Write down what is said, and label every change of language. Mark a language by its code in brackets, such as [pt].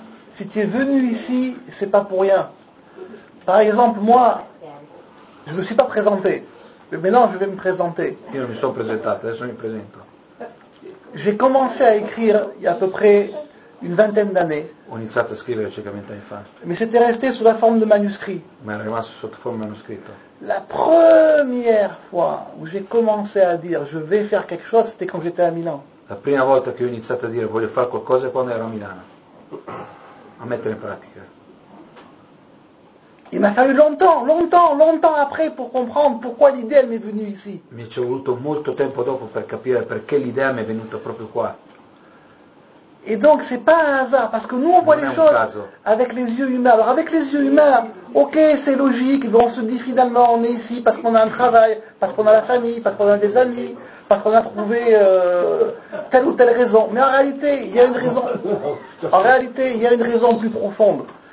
[fr] Si tu es venu ici, c'est pas pour rien. Par exemple, moi, je me suis pas présenté. Mais maintenant, je vais me présenter. [it] Io non mi sono presentato, adesso mi presento. [fr] J'ai commencé à écrire il y a à peu près une vingtaine d'années. [it] Ho iniziato a scrivere circa 20 anni fa. [fr] Mais c'était resté sous la forme de manuscrit. [it] Ma era rimasto sotto forma manoscritto. [fr] La première fois où j'ai commencé à dire je vais faire quelque chose, c'était quand j'étais à Milan. [it] La prima volta che ho iniziato a dire voglio fare qualcosa è quando ero a Milano. A mettere in pratica. [fr] Il m'a fallu longtemps après pour comprendre pourquoi l'idée m'est venue ici. [it] Mi ci è voluto molto tempo dopo per capire perché l'idea mi è venuta proprio qua. [fr] Et donc c'est pas un hasard, parce que nous on voit les choses avec les yeux humains. Alors avec les yeux humains, ok, c'est logique, on se dit finalement on est ici parce qu'on a un travail, parce qu'on a la famille, parce qu'on a des amis, parce qu'on a trouvé telle ou telle raison. Mais en réalité, il y a une raison. En réalité, il y a une raison plus profonde.